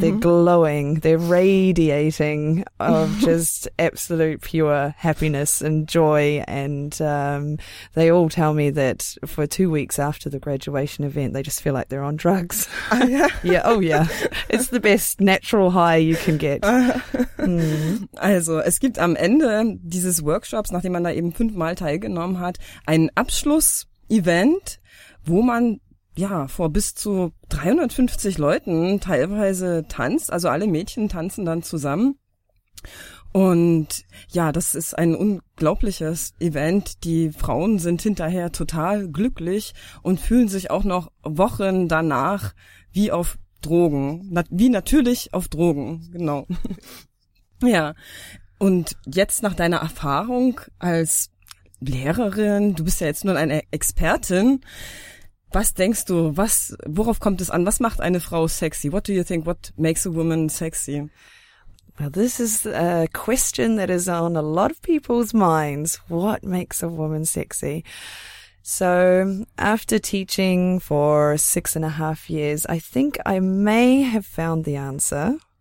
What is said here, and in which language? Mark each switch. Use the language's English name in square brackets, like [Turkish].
[English] They're glowing, they're radiating of just absolute pure happiness and joy. And they all tell me that for 2 weeks after the graduation event, they just feel like they're on drugs. Oh, yeah. It's the best natural high you can get. [German] Also, es gibt am Ende dieses Workshops, nachdem man da eben 5-mal teilgenommen hat, ein Abschluss-Event, wo man ja vor bis zu 350 Leuten teilweise tanzt, also alle Mädchen tanzen dann zusammen. Und ja, das ist ein unglaubliches Event. Die Frauen sind hinterher total glücklich und fühlen sich auch noch Wochen danach wie auf Drogen, wie natürlich auf Drogen, genau. Ja, und jetzt nach deiner Erfahrung als Lehrerin, du bist ja jetzt nur eine Expertin, was denkst du, worauf kommt es an? Was macht eine Frau sexy? [English] What do you think? What makes a woman sexy? Well, this is a question that is on a lot of people's minds. What makes a woman sexy? So after teaching for 6.5 years, I think I may have found the answer.